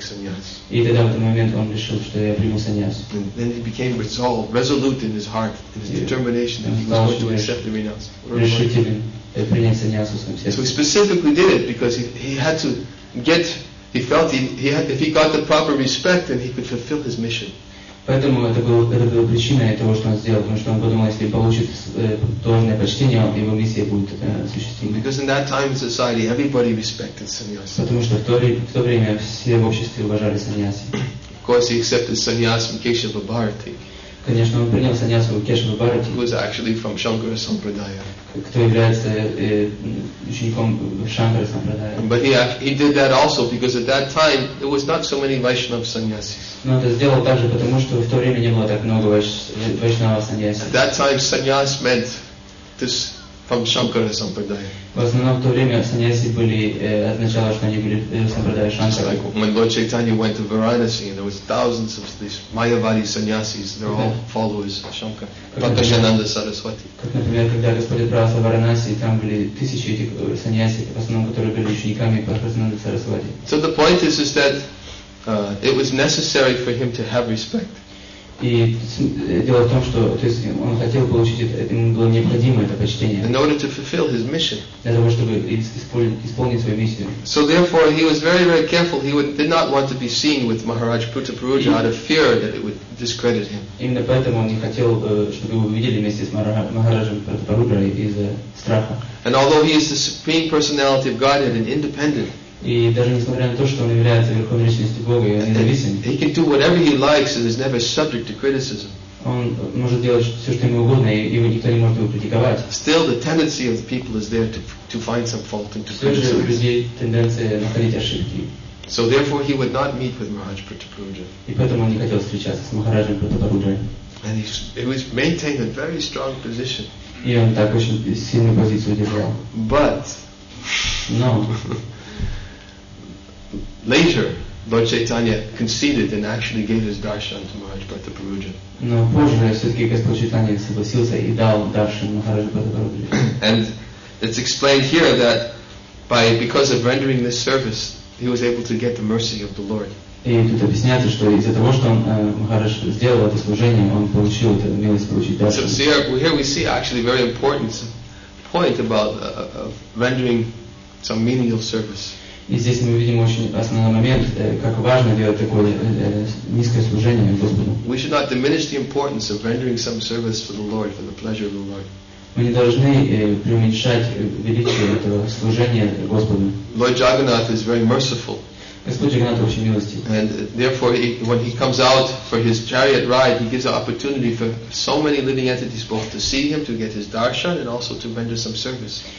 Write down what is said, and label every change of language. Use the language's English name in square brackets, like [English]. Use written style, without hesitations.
[English] sannyas. And then he became resolute in his heart, in his determination that he was going to accept the renunciation. So he specifically did it because he felt if he got the proper respect, then he could fulfill his mission. [Russian] Поэтому это была причина того, что он сделал, потому что он подумал, если получит должное почтение, его миссия будет осуществима. [English] Because in that time in society, everybody respected sannyasi. [Russian] Потому что в то время все в обществе уважали саньяси. [English] Of course, he accepted sannyas from Keshava Bharati. [Russian] Конечно, он принял саньяс у Кешава Бхарати. [English] Who was actually from Shankara Sampradaya. [Russian] Кто является учеником Шанкара Сампрадая. [English] But he did that also because at that time there was not so many Vaishnava sannyasis. [Russian] Но это сделал также потому, что в то время не было так много Вайшнава саньяси. [English] At that time sannyas meant this from Shankara Sampradaya. [Russian] В основном в то время саньяси были означало, что они были Сампрадая Шанкара. [English] Like when Lord Chaitanya went to Varanasi and there was thousands of these Mayavadi sannyasis, they're all followers of Shankara. Bhaktashananda Saraswati. [Russian] Как, например, когда Господь отправился в Варанаси, там были тысячи этих саньяси, в основном которые были учениками Бхактишьянанды Сарасвати. [English] So the point is that it was necessary for him to have respect. [Russian] И дело в том, что то есть он хотел получить это, ему было необходимо это почтение. [English] In order to fulfill his mission. [Russian] Для того, чтобы исполнить свою миссию. [English] So therefore, he was very, very careful. He did not want to be seen with Maharaj Puttaparuja out of fear that it would discredit him. [Russian] Именно поэтому он не хотел, чтобы его видели вместе с Махараджем Путтапуруджой из-за страха. [English] And although he is the supreme personality of Godhead and independent. [Russian] И даже несмотря на то, что он является верховной личностью Бога, и он независим. [English] He can do whatever he likes and is never subject to criticism. [Russian] Он может делать все, что ему угодно, и его никто не может его критиковать. [English] Still, the tendency of the people is there to find some fault and to criticize. [Russian] Все же у людей тенденция находить ошибки. [English] So therefore, he would not meet with Maharaj Pratapurudra. [Russian] И поэтому он не хотел встречаться с Махараджем Пратапуруджой. [English] And he maintained a very strong position. [Russian] И он так очень сильную позицию держал. [English] But. No. Later, Lord Chaitanya conceded and actually gave his darshan to Maharaj Pratapuruja. [Russian] Но позже все-таки Господь Чайтанья согласился и дал даршан Махараджу Пратапуруджа. [English] And it's explained here that because of rendering this service, he was able to get the mercy of the Lord. [Russian] И тут объясняется, что из-за того, что он Махарадж сделал это служение, он получил эту милость получить даршан. [English] So here we see actually very important point about rendering some menial service. [Russian] И здесь мы видим очень основной момент, как важно делать такое низкое служение Господу. [English] We should not diminish the importance of rendering some service for the Lord, for the pleasure of the Lord. [Russian] Мы не должны преуменьшать величие этого служения Господу. [English] Lord Jagannath is very merciful. [Russian] Господь Джагнат очень милостив. [English] And therefore, when he comes out for his chariot ride, he gives an opportunity for so many living entities both to see him, to get his darshan, and also to render some service.